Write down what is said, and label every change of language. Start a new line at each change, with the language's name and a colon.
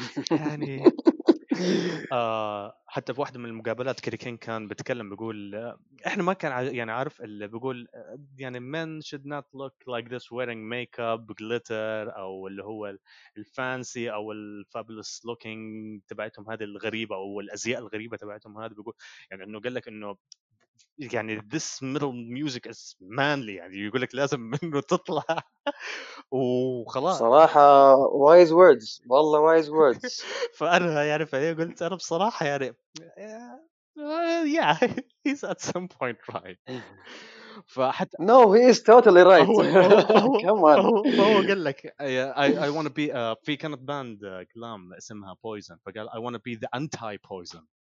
Arabic: يعني حتى في واحدة من المقابلات كريكين كان بتكلم بيقول احنا ما كان يعني عارف اللي بيقول يعني
English: men should not look like this wearing makeup glitter
Arabic: او اللي هو الفانسي او الفابلوس لوكينج تبعتهم هذه الغريبة او الازياء الغريبة تبعتهم هذا. بيقول يعني انه قال لك انه يعني
English: this middle music is manly،
Arabic: يعني يقول لك لازم منه تطلع وخلاص.
English: صراحة wise words، والله wise words.
Arabic: فأنا يعني فأنا قلت أنا بصراحة يعني
English: yeah he's at some point right.
Arabic: فحتى
English: no he is totally right. Come on. هو قال لك I want to be
Arabic: في كانت باند كلام اسمها
English: poison، فقال I want to be the anti poison.